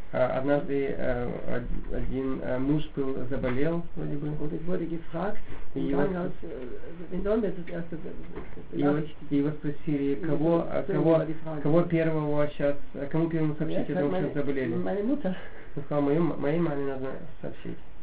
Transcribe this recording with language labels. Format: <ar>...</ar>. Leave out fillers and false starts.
<ru>Однажды один муж был заболел, вроде бы.</ru> <de>Und ich wurde gefragt, in Donbass das erste Nachricht.</de> <ru>И его спросили, кого первого сейчас, кому первому сообщить, о том, что заболели.</ru> <de>Meine Mutter.</de> <ru>Он сказал, моей маме надо сообщить.</ru>